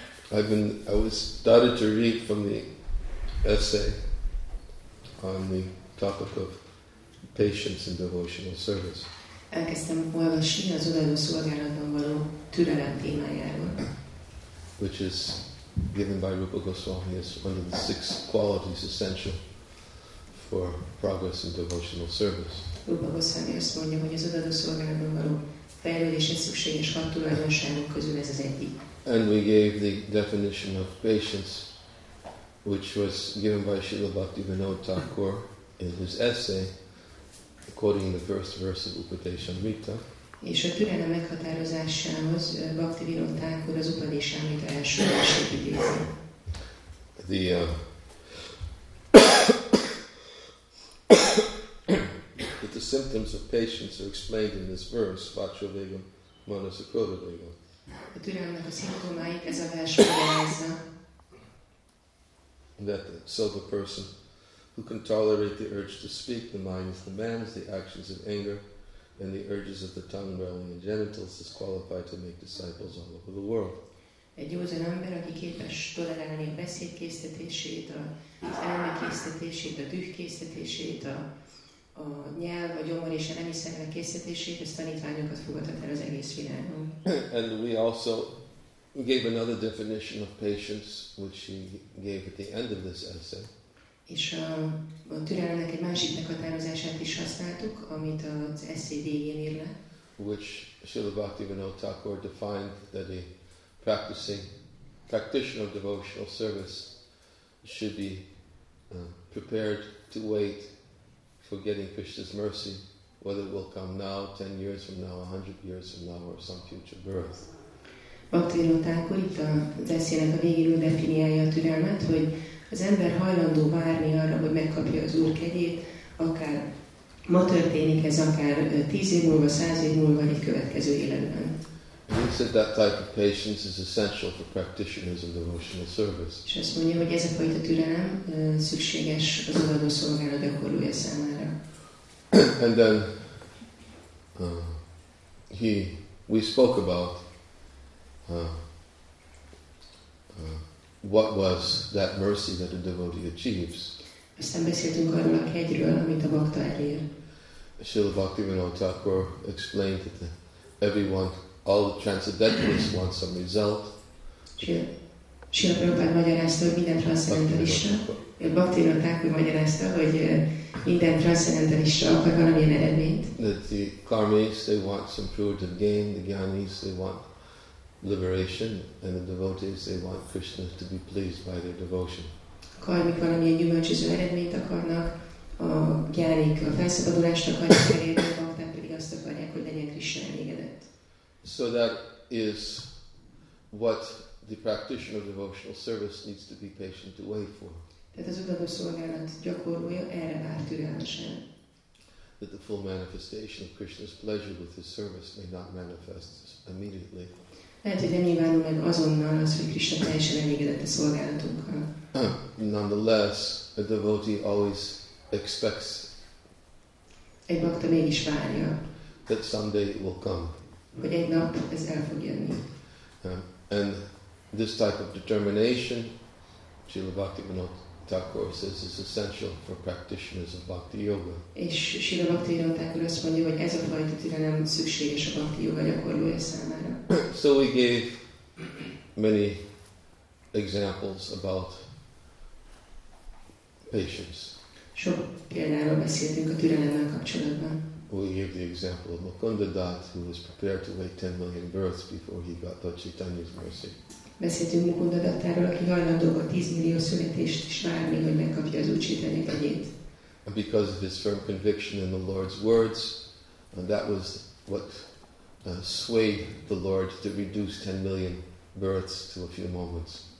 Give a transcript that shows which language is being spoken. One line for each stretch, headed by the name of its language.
English: I started to read from the essay on the topic of patience and devotional service.
Hungarian: Elkezdtem olvasni az odaadó szolgálatban való türelem témájáról.
English: Which is given by Rupa Goswami as one of the six qualities essential for progress in devotional service.
Hungarian: Rupa Goswami azt mondja, hogy az odaadó szolgálatban való fejlődésre szükséges hat tulajdonságok közül ez az egyik.
English: And we gave the definition of patience, which was given by Srila Bhaktivinoda Thakur in his essay, quoting the first verse of Upadeshamrita.
Hungarian: És a türelem meghatározásához Bhaktivinoda Thakur az Upadeshamrita első versét idézi.
English: The that the symptoms of patience are explained in this verse, Vachovegam Manasakrodavegam.
Hungarian: A türelemnek a szimptomáit ez a vers magyarázza.
English: That so the person who can tolerate the urge to speak, the mind is the man's, the actions of anger, and the urges of the tongue, belly, and genitals is qualified to make disciples all over the world.
Hungarian: Egy józan ember, aki képes tolerálni a beszédkésztetését, az elmekésztetését, a dühkésztetését, a nyelv, a gyomor és a nemi szervek késztetését, ezt tanítványokat fogadhat el az egész világon.
English: And we also gave another definition of patience, which he gave at the end of this essay.
Hungarian: És a türelemnek egy másik meghatározását is használtuk, amit az essay végén ír le.
English: Which Srila Bhaktivinoda Thakur defined that a practitioner of devotional service should be prepared to wait for getting Krishna's mercy, whether it will come now, 10 years from now, 100 years from now, or some future birth.
Hungarian: Bhaktivinoda Thakur itt az essaynek a végéről definiálja a türelmet, hogy az ember hajlandó várni arra, hogy megkapja az Úr kegyét, akár ma történik ez, akár 10 év múlva, 100 év múlva, vagy egy következő életben.
English: He said that type of patience is essential for practitioners of devotional service.
Hungarian: És azt mondja, hogy ez a fajta türelem szükséges az odaadó szolgálat gyakorlója számára.
English: And then we spoke about what was that mercy that a devotee achieves.
Hungarian: Aztán beszéltünk arról a kegyről, amit a bhakta elér.
English: Srila Bhaktivinoda Thakur explained that everyone, all the transcendentalists want some result.
Hungarian: Srila Prabhupada magyarázta, hogy minden transzcendentalista, Bhaktivinoda Thakur magyarázta, hogy minden transzcendentalista akar valamilyen eredményt.
English: That the karmis, they want some fruit of gain, the gyanis, they want liberation, and the devotees, they want Krishna to be pleased by their devotion.
Hungarian: Karmik valamilyen gyümölcsöző eredményt akarnak, a gyárik a felszabadulást akarják elérni, a bakták pedig azt akarják, hogy legyen Krisna elégedett.
English: So that is what the practitioner of devotional service needs to be patient to wait for.
Hungarian: Tehát az udvarló szolgálat gyakorlója erre vár türelmesen.
English: That the full manifestation of Krishna's pleasure with his service may not manifest immediately.
Hungarian: Lehet, hogy nem nyilvánul meg azonnal az, hogy Krishna teljesen elégedett a szolgálatunkkal.
English: Nonetheless, a devotee always expects
Hungarian: egy bakta mégis várja,
English: that someday it will come.
Hungarian: Hogy egy nap ez el fog jönni.
English: And this type of determination, Srila Bhaktivinoda Thakur says, is essential for practitioners of bhakti yoga.
Hungarian: És Srila Bhaktivinoda Thakur azt mondja, hogy ez a fajta türelem szükséges a bhakti yoga gyakorlója számára.
English: So we gave many examples about patience.
Hungarian: Sok példáról beszéltünk a türelemmel kapcsolatban.
English: We gave the example of Mukunda Das, who was prepared to wait 10 million births before he got Lord Chaitanya's mercy.
Hungarian: Beszéltünk Mukunda Dattáról, aki hajlandó volt 10 millió születést is várni, hogy megkapja az Úr Chaitanya kegyét.
English: And because of his firm conviction in the Lord's words, and that was what swayed the Lord to reduce 10 million births to a few moments.